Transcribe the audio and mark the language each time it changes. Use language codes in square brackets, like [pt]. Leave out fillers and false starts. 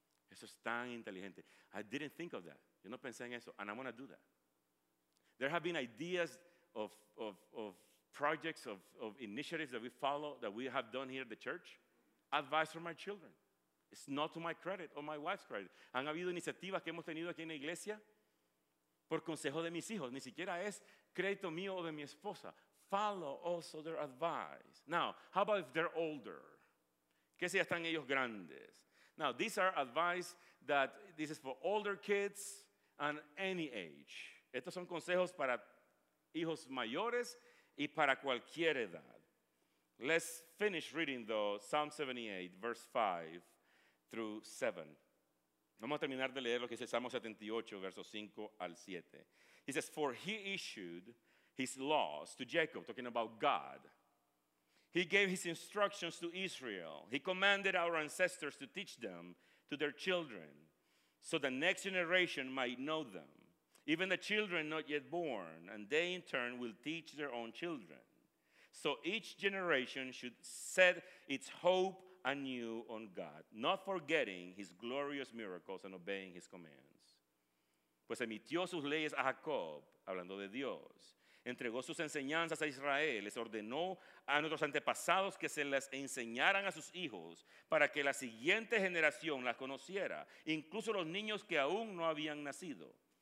[es] Eso es tan inteligente. [en] I didn't think of that. [es] Yo no pensé en eso. [en] And I want to do that. There have been ideas of projects, of initiatives that we follow, that we have done here at the church. Advice for my children. It's not to my credit or my wife's credit. [es] Han habido iniciativas que hemos tenido aquí en la iglesia por consejo de mis hijos. Ni siquiera es crédito mío o de mi esposa. [en] Follow also their advice. Now, how about if they're older? [es] ¿Qué si ya están ellos grandes? [en] Now, these are advice that this is for older kids and any age. [es] Estos son consejos para hijos mayores y para cualquier edad. [en] Let's finish reading, though, Psalm 78, verse 5 through 7. [es] Vamos a terminar de leer lo que dice Salmo 78, versos 5 al 7. [en] He says, for he issued his laws to Jacob, talking about God. He gave his instructions to Israel. He commanded our ancestors to teach them to their children so the next generation might know them, even the children not yet born, and they in turn will teach their own children. So each generation should set its hope anew on God, not forgetting his glorious miracles and obeying his commands. [es] Pues emitió sus leyes a Jacob, hablando de Dios. Entregó sus enseñanzas a Israel, les ordenó a nuestros antepasados que se las enseñaran a sus hijos para que la siguiente generación las conociera, incluso los niños que aún no habían nacido.